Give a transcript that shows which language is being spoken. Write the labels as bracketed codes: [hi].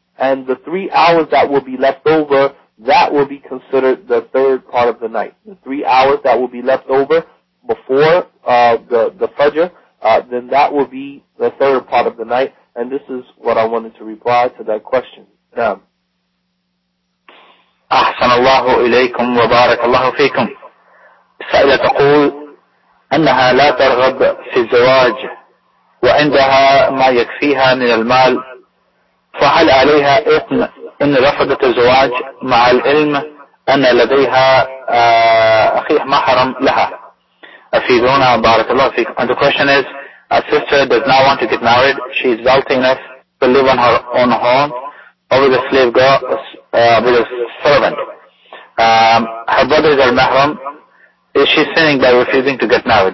[en] And the 3 hours that will be left over, that will be considered the third part of the night. The 3 hours that will be left over before the Fajr, then that will be the third part of the night. And this is what I wanted to reply to that question. Now, [ar] أحسن الله إليكم وبارك الله فيكم. سألة تقول أنها لا ترغب في الزواج وعندها ما يكفيها من المال، فهل عليها إثم إن رفضت الزواج مع العلم أن لديها أخيه محرم لها؟ أفيدونا بارك الله فيكم. [en] And the question is, a sister does not want to get married. She is wealthy enough to live on her own home or with a slave girl, with a servant. Her brother is al-mahram. Is she sinning by refusing to get married?